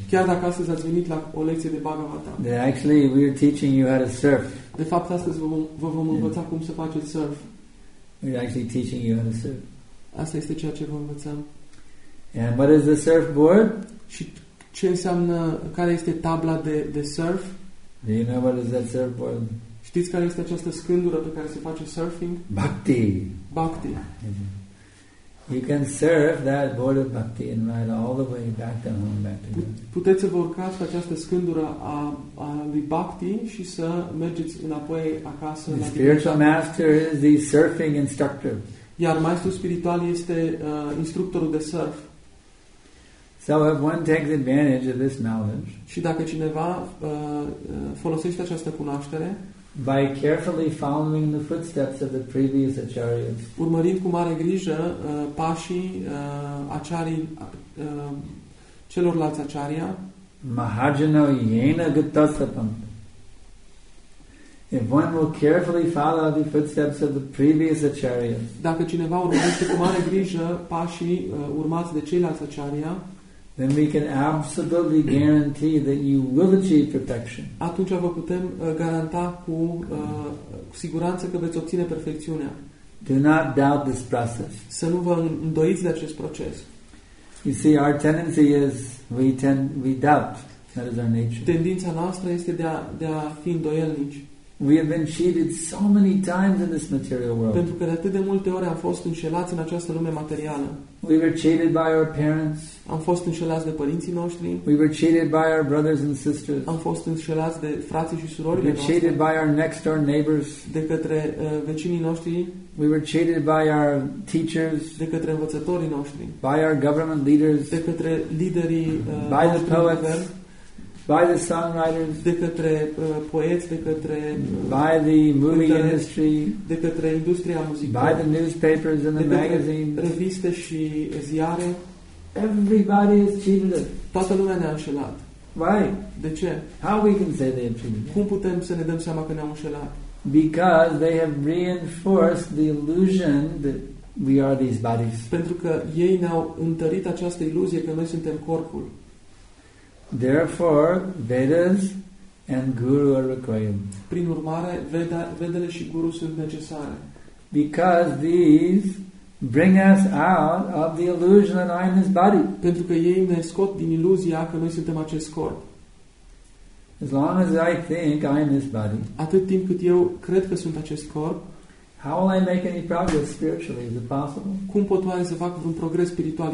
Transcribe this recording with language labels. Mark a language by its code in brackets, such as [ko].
[ro] Chiar dacă astăzi ați venit la o lecție de Bhagavatam. [en] Then actually we are teaching you how to surf. [ro] De fapt astăzi vă vom învăța cum să faceți surf. [en] We are actually teaching you how to surf. [ro] Asta este ceea ce vă învățăm. [en] And what is the surfboard? [ro] Și ce înseamnă, care este tabla de surf? [en] Do you know what is that surfboard? [ro] Știți care este această scândură pe care se face surfing? [en] Bhakti. [ro] Bhakti. [en] You can surf that board of bhakti and ride all the way back to home, back to God. [ro] Puteți să vă urcați pe această scândură a lui bhakti și să mergeți înapoi acasă. [en] The spiritual master is the surfing instructor. [ro] Iar maestrul spiritual este instructorul de surf. [en] So if one takes advantage of this knowledge. [ro] Și dacă cineva folosește această cunoaștere. [en] By carefully following the footsteps of the previous acharyas. [ro] Urmărind cu mare grijă pașii acharii celorlalți acharya. [sa] Mahajano yena gatasapam. [en] If one will carefully follow the footsteps of the previous acharyas. [ro] Dacă cineva urmărește cu mare grijă pașii urmați de ceilalți acharya. [en] Then we can absolutely guarantee that you will achieve perfection. [ro] Atunci vă putem garanta cu siguranță că veți obține perfecțiunea. [en] Do not doubt this process. [ro] Să nu vă îndoiți de acest proces. [en] You see, our tendency is we doubt. That is our nature. [ro] Tendința noastră este de a fi îndoielnici. [en] We have been cheated so many times in this material world. [ro] Pentru că de atât de multe ori am fost înșelați în această lume materială. [en] We were cheated by our parents. [ro] Am fost înșelați de părinții noștri. [en] We were cheated by our brothers and sisters. [ro] Am fost înșelați de frații și surorile [en] noștri. We were cheated by our next door neighbors. [ro] De către vecinii noștri. [en] We were cheated by our teachers. [ro] De către învățătorii noștri. [en] By our government leaders. [ro] De către liderii [en] by the poets. By the songwriters, [ro] de către poeți, de către [en] by the movie industry, [ro] de către industria muzicală, [en] by the newspapers and the magazines, [ro] reviste și ziare. [en] Everybody is cheated. [ro] Toată lumea ne-a înșelat. [en] Why? [ro] De ce? [en] How we can say they have cheated? [ro] Cum putem să ne dăm seama că ne-am înșelat? [en] Because they have reinforced the illusion that we are these bodies. [ro] Pentru că ei ne-au întărit această iluzie că noi suntem corpul. [en] Therefore, Vedas and Guru are required. [ro] Prin urmare, vedele și guru sunt necesare. [en] Because these bring us out of the illusion that I am this body. [ro] Pentru că ei ne scot din iluzia că noi suntem acest corp. [en] As long as I think I am this body. [ro] Atât timp cât eu cred că sunt acest corp. [en] How will I make any progress spiritually? Is it possible? [ro] Cum pot oare să fac un progres spiritual?